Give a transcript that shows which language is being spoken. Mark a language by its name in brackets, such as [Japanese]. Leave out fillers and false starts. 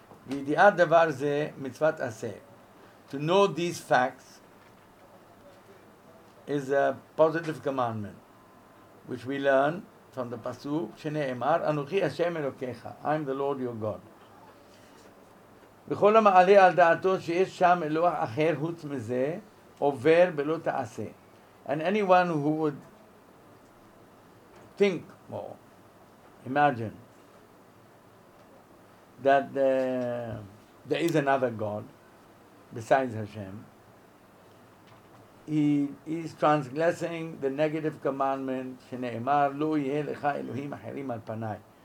[Hebrew] V'idiyat davar zeh mitzvat aseh. [English] to know these facts is a positive commandment, which we learn from the Pasuk, [Hebrew] Shene'emar, Anuchi Hashem Elokecha, [English] I am the Lord your God. [Hebrew] וכל המעלה על דעתו שיש שם אלוה אחר חוץ מזה, עובר בלא תעשה. [English] And anyone who would think or imagine that there is another God besides Hashem, he is transgressing the negative commandment, [Hebrew] שנאמר, לא יהיה לך אלוהים אחרים על פניי.